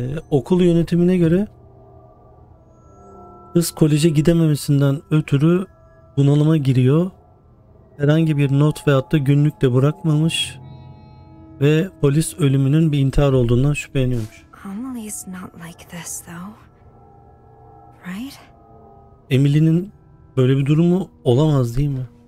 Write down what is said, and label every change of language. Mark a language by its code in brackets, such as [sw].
[tr] Okul yönetimine göre kız koleje gidememesinden ötürü bunalıma giriyor. Herhangi bir not veyahut da günlük de bırakmamış ve polis ölümünün bir intihar olduğundan şüpheleniyormuş. [en] Emily's not like this though. Right? [tr] Emily'nin böyle bir durumu olamaz değil mi?